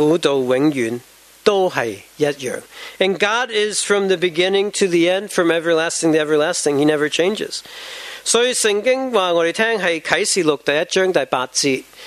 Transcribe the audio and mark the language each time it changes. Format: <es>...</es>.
<zh>神由亘古到永远都是一样。</zh> <en>And God is from the beginning to the end, from everlasting to everlasting. He never changes.</en> <zh>所以圣经说我们听是启示录第一章第八节。</zh>